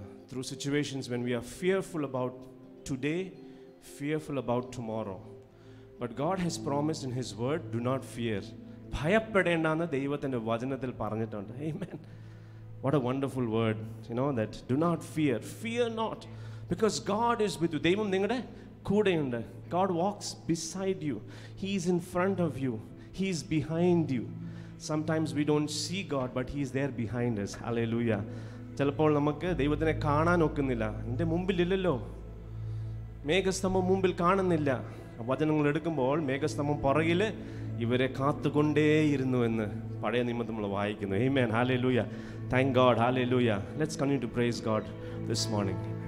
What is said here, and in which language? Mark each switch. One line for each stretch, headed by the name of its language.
English: through situations when we are fearful about today fearful about tomorrow but God has promised in his word do not fear
Malayalam: ഭയപ്പെടേണ്ടെന്ന് ദൈവത്തിൻ്റെ വചനത്തിൽ പറഞ്ഞിട്ടുണ്ട്
English: ആമേൻ what a wonderful word you know the do not fear fear not because God is with you
Malayalam: ദൈവം നിങ്ങളുടെ കൂടെയുണ്ട്
English: God walks beside you. He is in front of you. He is behind you. Sometimes we don't see God, but He is there behind us. Hallelujah.
Malayalam: ചിലപ്പോൾ നമുക്ക് ദൈവത്തിനെ കാണാൻ ഒക്കുന്നില്ല. എൻ്റെ മുമ്പിൽ ഇല്ലല്ലോ. മേഘസ്തംഭം മുമ്പിൽ കാണുന്നില്ല. വചനങ്ങൾ എടുക്കുമ്പോൾ മേഘസ്തംഭം പുറകിൽ ഇവരെ കാത്തുകൊണ്ടേയിരുന്നു എന്ന് പഴയ നിയമത്തിൽ നമ്മൾ വായിക്കുന്നു.
English: Amen. Hallelujah. Thank God. Hallelujah. Let's continue to praise God this morning.